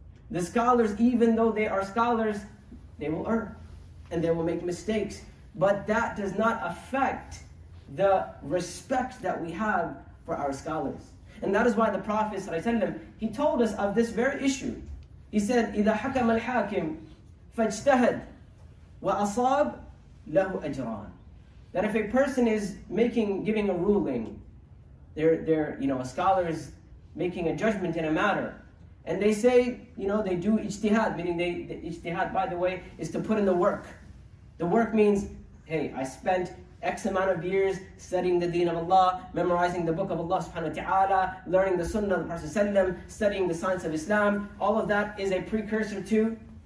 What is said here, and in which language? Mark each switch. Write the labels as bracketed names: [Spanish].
[English] The scholars, even though they are scholars, they will err, and they will make mistakes. But that does not affect the respect that we have for our scholars. And that is why the Prophet ﷺ, he told us of this very issue. [Arabic] He said, إِذَا حَكَمَ الْحَاكِمُ فَاجْتَهَدْ وَأَصَابْ لَهُ أَجْرًا. [English] That if a person is giving a ruling, they're a scholar is making a judgment in a matter, and they say, they do ijtihad, meaning ijtihad, by the way, is to put in the work. The work means, hey, I spent X amount of years studying the deen of Allah, memorizing the book of Allah subhanahu wa ta'ala, learning the sunnah of the Prophet sallallahu alayhi wa sallam, studying the science of Islam. All of that is a precursor to